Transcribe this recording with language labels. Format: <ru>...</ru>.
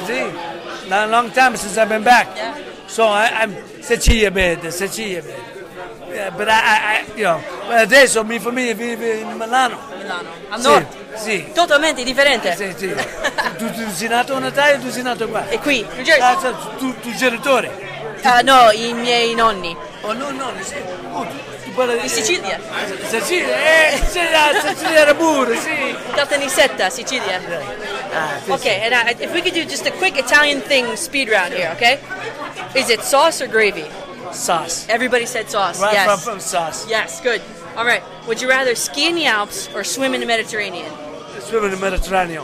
<en>Sì, a long time since I've been back. Yeah. So, I'm Sicilia bed, Sicilia bed. But</en> <it>adesso mia famiglia vive in Milano. Milano, al nord? Sì. Totalmente differente? Sì, sì. Tu sei nato in Italia, tu sei nato qua. E qui? Tu genitore. No, i miei nonni. Oh, no, nonni, sì. In Sicilia. Sicilia, Sicilia era pure, sì. Caltanissetta, Sicilia.</it> <en>Okay, and if we could do just a quick Italian thing speed round here, okay? Is it sauce or gravy? Sauce. Everybody said sauce, right, yes. From sauce. Yes, good. All right, would you rather ski in the Alps or swim in the Mediterranean? Swim in the Mediterranean.</en>